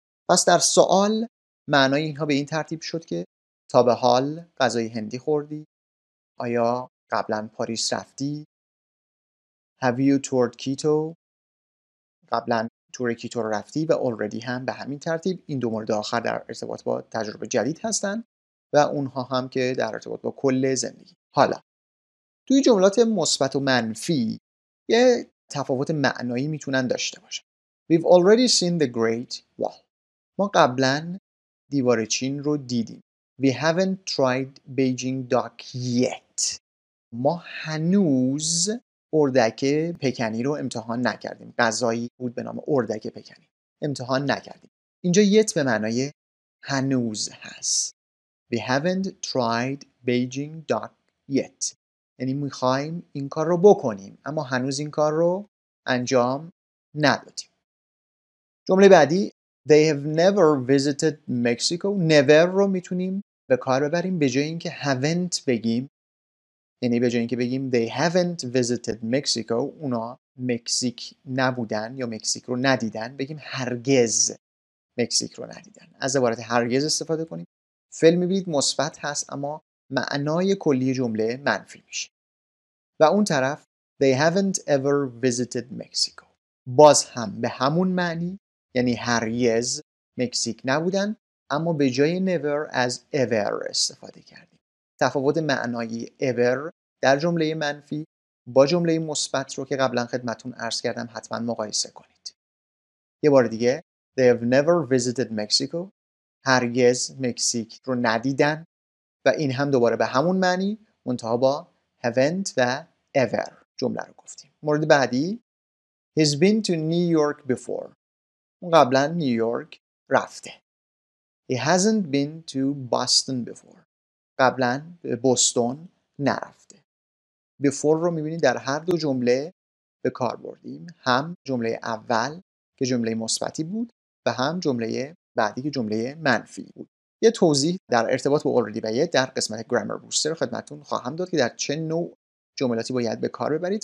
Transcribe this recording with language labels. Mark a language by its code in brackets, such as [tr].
[fa] پس در سوال معنای اینها به این ترتیب شد که تا به حال غذای هندی خوردی؟ آیا قبلن پاریس رفتی؟ [en] Have you toured Quito؟ [fa] قبلن تور کیتو رو رفتی؟ و already هم به همین ترتیب. این دو مورد آخر در ارتباط با تجربه جدید هستن و اونها هم که در ارتباط با کل زندگی. حالا توی جملات مثبت و منفی یه تفاوت معنایی میتونن داشته باشن. [en] We've already seen the great wall. [fa] ما قبلن دیوار چین رو دیدیم. [en] We haven't tried Beijing duck yet. [fa] ما هنوز اردک پکنی رو امتحان نکردیم. غذایی بود به نام اردک پکنی. امتحان نکردیم. اینجا yet به معنای هنوز هست. [en] We haven't tried Beijing duck yet. [fa] یعنی میخواییم این کار رو بکنیم، اما هنوز این کار رو انجام ندادیم. جمله بعدی: [en] They have never visited Mexico. [fa] Never رو میتونیم به کار ببریم به جای اینکه haven't بگیم. یعنی به جای اینکه بگیم [en] they haven't visited Mexico، [fa] اونا مکزیک نبودن یا مکزیک رو ندیدن، بگیم هرگز مکزیک رو ندیدن. از عبارت هرگز استفاده کنیم. فعل میبینید مثبت هست، اما معنای کلی جمله منفی میشه. و اون طرف [en] they haven't ever visited Mexico، [fa] باز هم به همون معنی، یعنی هرگز مکزیک نبودن، اما به جای never از ever استفاده کردیم. تفاوت معنایی ever در جمله منفی با جمله مثبت رو که قبلا خدمتون عرض کردم حتما مقایسه کنید. یه بار دیگه: [en] They have never visited Mexico. [fa] هرگز مکزیک رو ندیدن. و این هم دوباره به همون معنی، منتها با haven't و ever جمله رو گفتیم. مورد بعدی: [en] He's been to New York before. [fa] اون قبلا نیویورک رفته. [en] He hasn't been to Boston before. [fa] قبلاً به بوستون نرفته. Before رو می‌بینید در هر دو جمله به کار بردیم، هم جمله اول که جمله مثبتی بود و هم جمله بعدی که جمله منفی بود. یه توضیح در ارتباط با already و yet در قسمت grammar booster خدمتتون خواهم داد که در چه نوع جملاتی باید به کار ببرید.